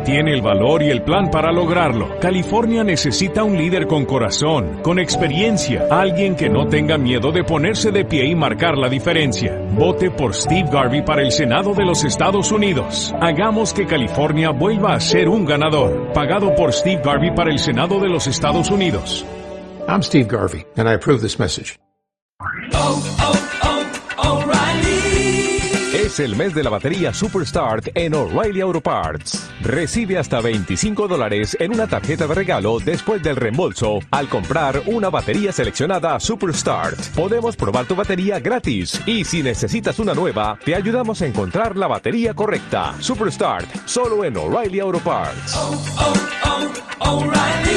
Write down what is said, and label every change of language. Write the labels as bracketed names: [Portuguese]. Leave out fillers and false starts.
[Spanish] Tiene el valor y el plan para lograrlo. California necesita un líder con corazón, con experiencia, alguien que no tenga miedo de ponerse de pie y marcar la diferencia. Vote por Steve Garvey para el Senado de los Estados Unidos. Hagamos que California vuelva a ser un ganador. Pagado por Steve Garvey para el Senado de los Estados Unidos. [English] I'm Steve Garvey, and I approve this message. Oh, oh, oh, O'Reilly. [Spanish] Es el mes de la batería Superstart en O'Reilly Auto Parts. Recibe hasta $25 en una tarjeta de regalo después del reembolso al comprar una batería seleccionada Superstart. Podemos probar tu batería gratis y si necesitas una nueva, te ayudamos a encontrar la batería correcta. Superstart, solo en O'Reilly Auto Parts. Oh, oh, oh, O'Reilly.